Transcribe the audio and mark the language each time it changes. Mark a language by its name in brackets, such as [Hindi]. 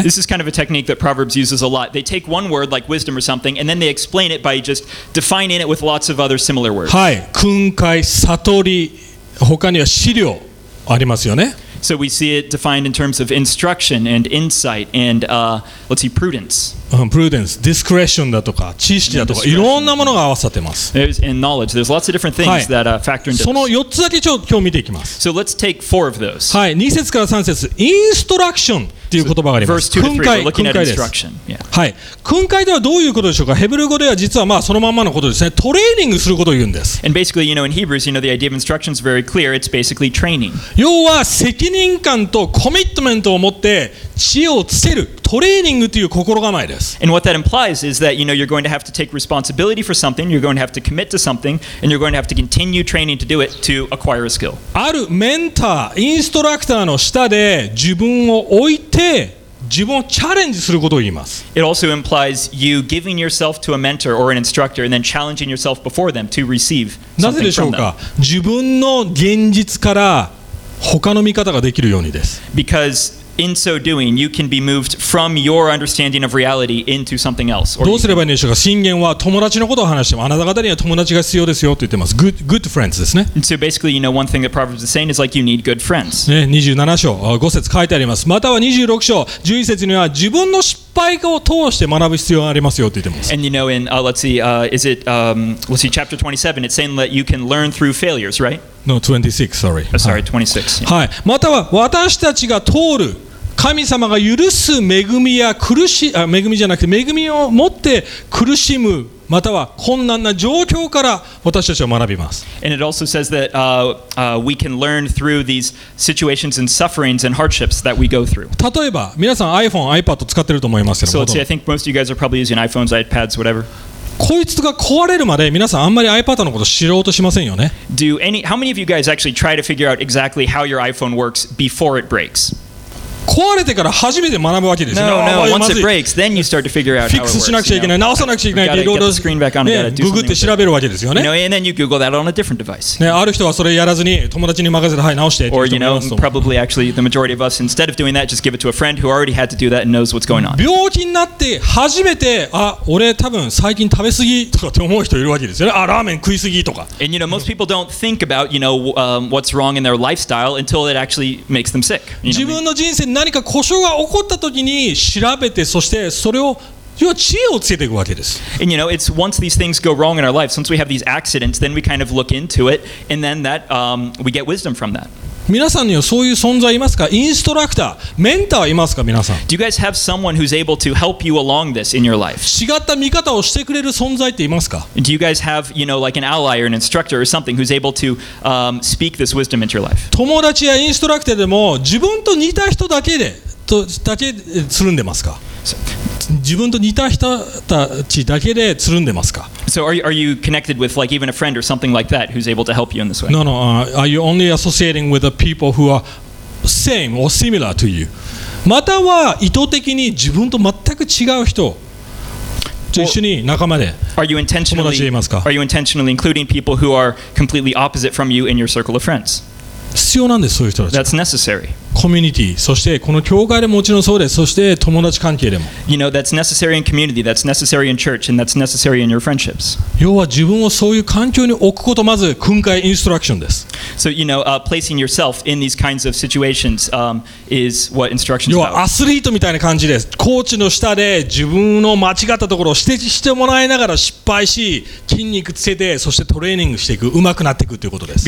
[English] This is kind of a technique that Proverbs uses a lot. They take one word like wisdom or something, and then they explain it by just defining it with lots of other similar words. [Japanese] はい、訓戒、悟り、他には思慮ありますよね。 [English] So we see it defined in terms of instruction and insight and let's see, prudence. prudence, discretion [Japanese] だとか知識だとかいろんなものが合わさってます。 [English] There's in knowledge. There's lots of different things that factor into. [Japanese] その4つだけ今日見ていきます。 [English] So let's take four of those. [Japanese] はい、2節から3節、インストラクションっていう言葉があります。 [English] Verse 2 to 3, we're looking at instruction. [Japanese] はい、訓戒とはどういうことでしょうか。ヘブル語では実はまあそのまんまのことですね。トレーニングすることを言うんです。 [English] And basically, you know, in Hebrews, you know, the idea of instruction is very clear. It's basically training. [Japanese] 要は責任感とコミットメントを持って知恵をつける。トレーニングという心構えです。 [English] And what that implies is that, you know, you're going to have to take responsibility for something, you're going to have to commit to something, and you're going to have to continue training to do it to acquire a skill. [Japanese] あるメンター、インストラクターの下で自分を置いて自分をチャレンジすることを言います。 [English] It also implies you giving yourself to a mentor or an instructor and then challenging yourself before them to receive something from them. [Japanese] なぜでしょうか？自分の現実から他の見方ができるようにです。 [English] Because in so doing, you can be moved from your understanding of reality into something else. [Japanese] どうすればいいんでしょうか。信玄は友達のことを話しても、あなた方には友達が必要ですよと言ってます。 [English] Good friends [Japanese] ですね。 [English] So basically, you know, one thing that Proverbs is saying is like you need good friends. [Japanese] ね、27章、5節書いてあります。または26章、11節には自分の失敗を通して学ぶ必要がありますよと言ってます。 [English] And you know, in chapter 27, it's saying that you can learn through failures, right? 26. [Japanese] はい、または私たちが通る神様が許す恵みや苦し、あ、恵みじゃなくて恵みを持って苦しむまたは困難な状況から私たちは学びます。 [English] And it also says that we can learn through these situations and sufferings and hardships that we go through. [Japanese] 例えば皆さん iPhone、iPad 使ってると思いますけど。 [English] So let's see, I think most of you guys are probably using iPhones, iPads, whatever. [Japanese] こいつが壊れるまで皆さんあんまり iPad のこと知ろうとしませんよね。 [English] How many of you guys actually try to figure out exactly how your iPhone works before it breaks? [Japanese] 壊れてから初めて学ぶわけですよ。 [English] Once it breaks, then you start to figure out how it works. [Japanese] フィックスしなくちゃいけない、直さなくちゃいけないって、いろいろ [English] the screen back on, [Japanese] ね、ググって調べるわけですよね。 [English] You know, and then you Google that on a different device. [Japanese] ね、ある人はそれやらずに友達に任せて、はい、直してって言ってますと。 [English] Or, probably actually the majority of us, instead of doing that, just give it to a friend who already had to do that and knows what's going on. [Japanese] 病気になって初めて、あ、俺多分最近食べ過ぎとかって思う人いるわけですよね。あ、ラーメン食い過ぎとか。 [English] And you know, most people don't think about, you know, what's wrong in their lifestyle until it actually makes them sick. You know? [Japanese] 自分の人生何か故障が起こった時に調べて、そしてそれを要は知恵をつけていくわけです。 [English] And you know, it's once these things go wrong in our life, once we have these accidents, then we kind of look into it, and then that, we get wisdom from that. [Japanese] 皆さんにはそういう存在いますか？インストラクター、メンターいますか？皆さん。 [English] Do you guys have someone who's able to help you along this in your life? [Japanese] 違った見方をしてくれる存在っていますか？ [English] Do you guys have, you know, like an ally or an instructor or something who's able to, speak this wisdom into your life? [Japanese] 友達やインストラクターでも自分と似た人だけでとだけつるんでますか？自分と似た人たちだけでつるんでますか？ [English] So are you connected with like even a friend or something like that who's able to help you in this way? No, are you only associating with the people who are same or similar to you? [Japanese] または意図的に自分と全く違う人と一緒に仲間で友達でいますか？ [English] Are you intentionally including people who are completely opposite from you in your circle of friends? [Japanese] 必要なんです、そういう人たち。 [English] That's necessary. [Japanese] コミュニティ、そしてこの教会でもちろんそうです、そして友達関係でも。 [English] You know, that's necessary in community, that's necessary in church, and that's necessary in your friendships. 要は自分をそういう環境に置くこと、まず訓戒インストラクションです。 So, you know, placing yourself in these kinds of situations, is what instruction is about. [Japanese] 要はアスリートみたいな感じです。コーチの下で自分の間違ったところを指摘してもらいながら失敗し、筋肉つけて、そしてトレーニングしていく、上手くなっていくということです。